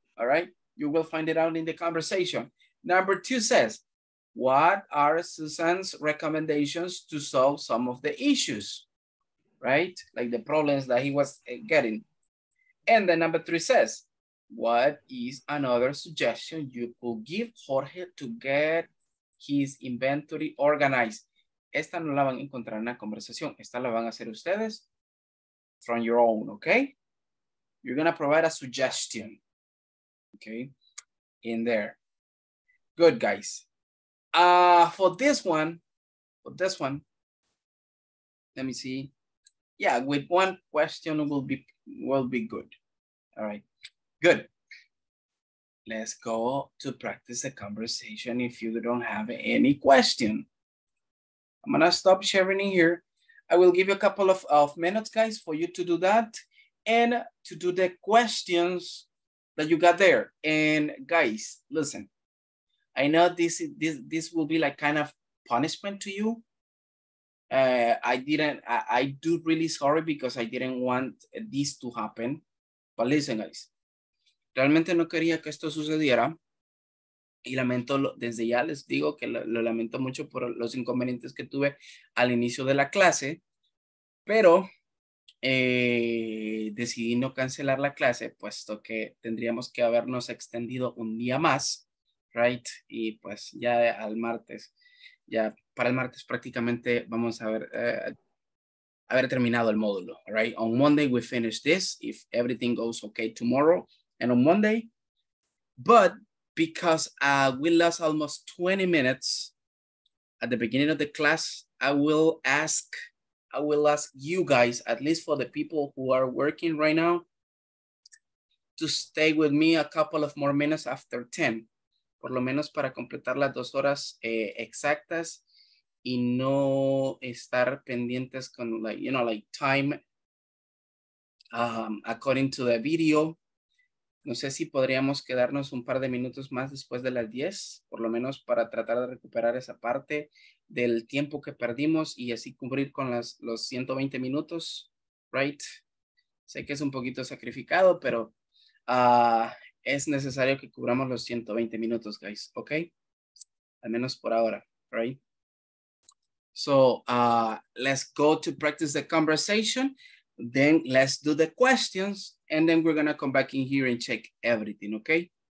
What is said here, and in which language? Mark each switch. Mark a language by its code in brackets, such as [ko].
[en] All right, you will find it out in the conversation. Number two says, what are Susan's recommendations to solve some of the issues, right? Like the problems that he was getting. And then number three says, what is another suggestion you could give Jorge to get his inventory organized? [es] Esta no la van a encontrar en la conversación. Esta la van a hacer ustedes [en] from your own, okay? You're gonna provide a suggestion, okay, in there. Good, guys. For this one, let me see. Yeah, with one question will be good. All right, good. Let's go to practice the conversation if you don't have any question. I'm gonna stop sharing in here. I will give you a couple of, minutes, guys, for you to do that and to do the questions that you got there. And guys, listen, I know this will be like kind of punishment to you I do really sorry because I didn't want this to happen. But listen, guys. [es] Realmente no quería que esto sucediera. Y lamento, desde ya les digo que lo lamento mucho por los inconvenientes que tuve al inicio de la clase. Pero decidí no cancelar la clase, puesto que tendríamos que habernos extendido un día más, [en] right? [es] Y pues ya al martes, ya para el martes prácticamente vamos a haber terminado el módulo, [en] right? On Monday we finish this, if everything goes okay tomorrow, and on Monday. But because we lost almost 20 minutes at the beginning of the class, I will ask you guys, at least for the people who are working right now, to stay with me a couple of more minutes after 10, [es] por lo menos para completar las dos horas exactas y no estar pendientes con, [en] like, you know, like time according to the video. [es] No sé si podríamos quedarnos un par de minutos más después de las 10, por lo menos para tratar de recuperar esa parte del tiempo que perdimos y así cubrir con los 120 minutos, [en] right? [es] Sé que es un poquito sacrificado, pero es necesario que cubramos los 120 minutos, [en] guys, okay? [es] Al menos por ahora, [en] right? So, let's go to practice the conversation, then let's do the questions, and then we're gonna come back in here and check everything, okay?